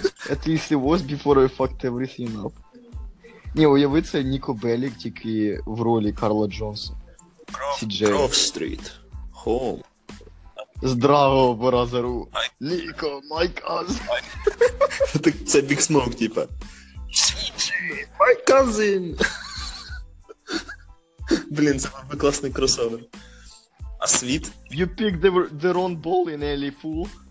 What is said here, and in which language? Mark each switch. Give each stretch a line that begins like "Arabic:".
English: At least it was before I fucked everything up.
Ukrainian: Ні, уяви, це Ніко Белік тільки в ролі Карла Джонса.
English: Grow Street, home.
Ukrainian: Здраво, Бразеру. Ніко,
English: май казин.
Ukrainian: Це Big Smoke, типа.
English: My cousin!
Ukrainian: Блін, це був класний кросовер. А світ?
English: You picked the wrong ball in Alley, fool.